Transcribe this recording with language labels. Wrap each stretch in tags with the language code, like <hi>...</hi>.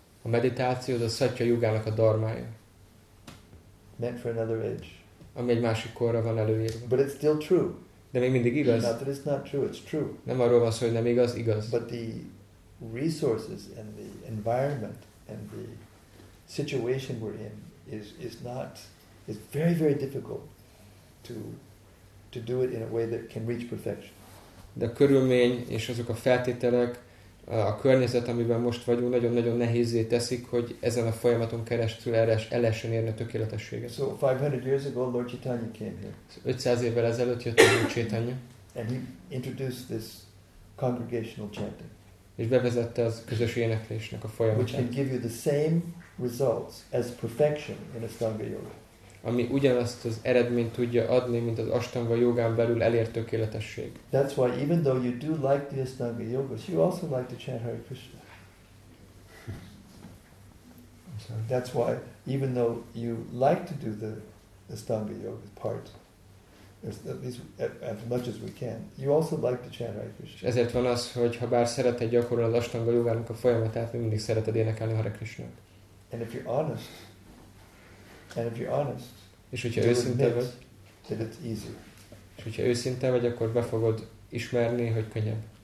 <hu>A meditáció az a satya yugának a dharmája.</hu> <en>Meant for another age.</en> <hu>Ami egy másik korra van előírva.</hu> <en>But it's still true.</en> <hu>De még mindig igaz.</hu> <en>Not that it's not true, it's true.</en> <hu>Nem arról van szó, hogy nem igaz, igaz.</hu> <en>But the resources and the environment and the situation we're in is very very difficult to do it in a way that can reach perfection.</en> <hu>De a körülmény és azok a feltételek, a környezet, amiben most vagyunk, nagyon nagyon nehézé teszik, hogy ezen a folyamaton keresztül el lehessen érni a tökéletességet.</hu> <en>So 500 years ago Lord Chaitanya came here.</en> <hu>500 évvel ezelőtt jött Lord Chaitanya.</hu> <en>And he introduced this congregational chanting.</en> <hu>És bevezette az közös éneklésnek a folyamatát.</hu> <en>Which can give you the same results as perfection in Ashtanga yoga.</en> <hu>Ami ugyanazt az eredményt tudja adni, mint az Ashtanga yogán belül elért tökéletesség.</hu> <en>That's why even though you do like the Ashtanga yogas, you also like to chant Hare Krishna. That's why even though you like to do the Ashtanga yoga part, at least as much as we can, you also like to chant Hare Krishna.</en> <hu>Ezért van az, hogy ha bár szereted gyakorolni az Ashtanga yogának a folyamatát, mindig szereted énekelni Hare Krishnát.</hu> <en>And if you're honest,</en> <hu>és hogyha őszinte vagy,</hu> <en>that it's easier.</en> <hu>És hogyha őszinte vagy, akkor be fogod ismerni, hogy könnyebb.</hu>